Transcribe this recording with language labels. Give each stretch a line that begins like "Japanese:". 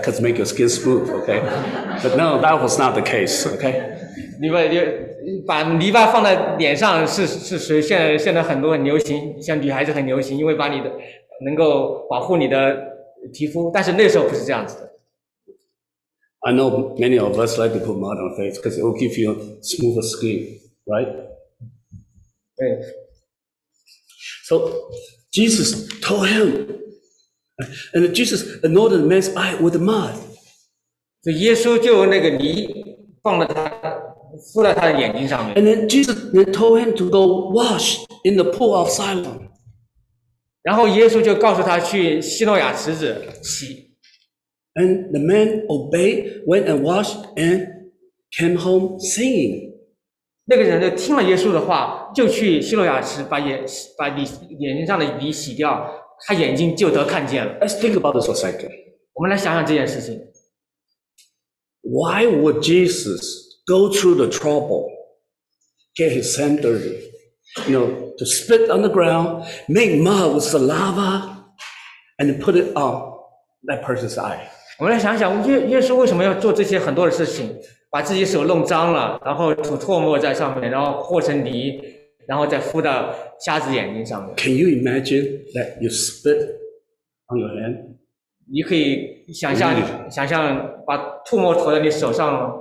English: Because make your skin smooth, okay? But no, that was not the case, okay?
Chinese: 你们就把泥巴放在脸上是现在很多很流行，像女孩子很流行，因为把你的能够保护你的皮肤，但是那时候不是这样子的。
English: I know many of us like to put mud on face because it will give you smoother skin, right?
Chinese: 对。
English: So Jesus told him. And Jesus anointed the man's eye with mud.
Chinese: So 耶稣就那个泥放了他，敷在他的眼睛上面。
English: And then Jesus then told him to go wash in the pool of Siloam.
Chinese: 然后耶稣就告诉他去希诺亚池子洗。
English: And the man obeyed, went and washed, and came home singing.
Chinese: 那个人就听了耶稣的话，就去希诺亚池把眼睛上的泥洗掉。他眼睛就得看见了。
English: Let's think about this for a second.
Chinese: 我们来想想这件事情。
English: Why would Jesus go through the trouble, get his hand dirty, you know, to spit on the ground, make mud with saliva, and put it on that person's eye?
Chinese: 我们来想想，耶稣为什么要做这些很多的事情，把自己手弄脏了，然后吐唾沫在上面，然后和成泥。然后再敷到瞎子眼睛上面。
English: Can you imagine that you spit on your hand?
Chinese: 你可以想象把唾沫吐在你手上。